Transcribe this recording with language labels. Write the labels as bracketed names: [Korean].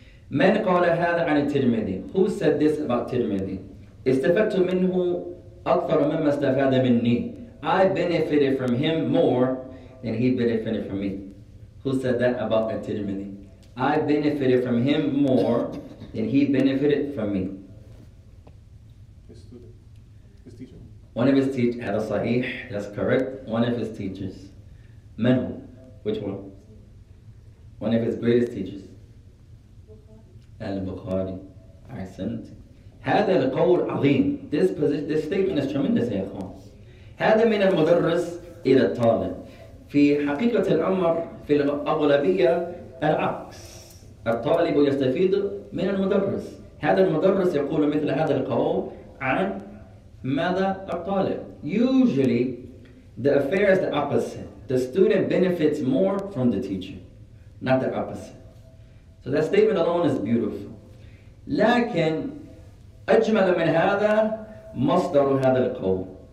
[Arabic] من قال هذا عن الترمذي [English] who said this about الترمذي [Arabic] استفدت منه أكثر مما استفاد مني [English] I benefited from him more than he benefited from me who said that about الترمذي I benefited from him more than he benefited from me. His student, his teacher. One of his teachers, had a sahih, that's correct. One of his teachers. Man, which one? One of his greatest teachers. Al-Bukhari. I sent. [Arabic] هذا القول عظيم. [English] This position, this statement is tremendous, يا إخوان. [Arabic] هذا من المدرس إلى الطالب. في حقيقة الأمر في الأغلبية العكس. الطالب يستفيد من المدرس هذا المدرس يقول مثل هذا القول عن ماذا الطالب [English] usually the affair is the opposite the student benefits more from the teacher not the opposite so that statement alone is beautiful [Arabic] لكن أجمل من هذا مصدر هذا القول